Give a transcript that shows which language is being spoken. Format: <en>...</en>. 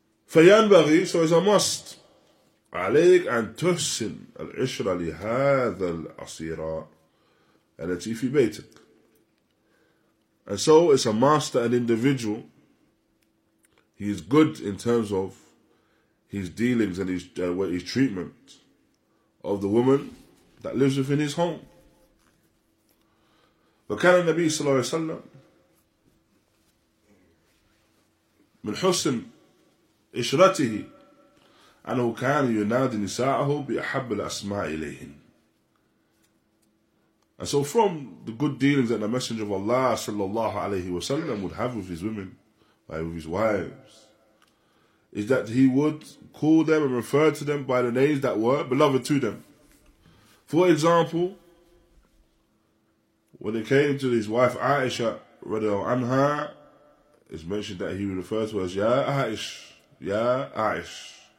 <ar>فَيَنْبَغِي,</ar> <en>so it's a must.</en> <ar>عَلَيْكَ أَنْ تُحْسِنْ الْعِشْرَ لِهَذَا الْأَصِيرَةِ الَّتِي فِي بَيْتِكَ.</ar> <en>And so it's a must that an individual, he is good in terms of his dealings and his treatment of the woman that lives within his home.</en> <ar>وَكَانَ النَّبِي صلى الله عليه وسلم مِنْ حُسْنْ إشرته أنه كان ينادي نساءه بأحب الأسماء إليهن.</ar> <en>And so from the good dealings that the Messenger of Allah sallallahu alayhi wa sallam would have with his women, with his wives, is that he would call them and refer to them by the names that were beloved to them. For example, when it came to his wife Aisha radiallahu anha, it's mentioned that he would refer to her as Ya Aish.</en>